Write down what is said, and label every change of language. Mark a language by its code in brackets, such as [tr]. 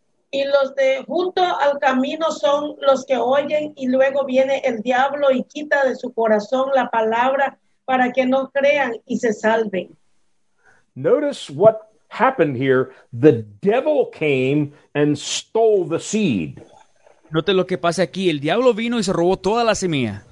[es] Y los de junto al camino son los que oyen y luego viene el diablo y quita de su corazón la palabra para que no crean y se salven. [en] Notice what happened here. The devil came and stole the seed. [es] Note lo que pasa aquí. El diablo vino y se robó toda la semilla.